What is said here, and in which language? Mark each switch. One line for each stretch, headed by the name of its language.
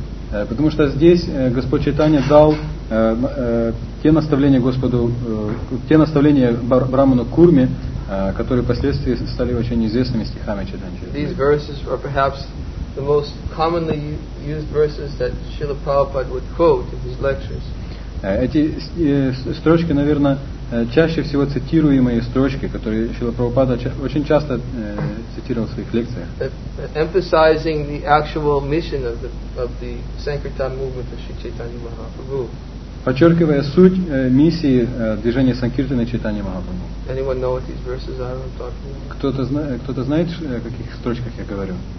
Russian: Потому что здесь Господь Чайтанья дал те наставления Господу, те наставления Браману Курме, которые впоследствии стали очень известными стихами Чайтанья.
English: These verses are perhaps the most commonly used verses that Srila Prabhupada would quote in his lectures.
Russian: Эти строчки, наверное, чаще всего цитируемые строчки, которые Шрила Прабхупада очень часто цитировал в своих лекциях.
English: Emphasizing the actual mission of the Sankirtan movement of Sri Chaitanya Mahaprabhu.
Russian: Подчеркивая суть миссии движения Санкиртаны Чайтанья Махапрабху.
English: Anyone know what these verses are I'm talking about?
Russian: Кто-то знает, о каких строчках я говорю?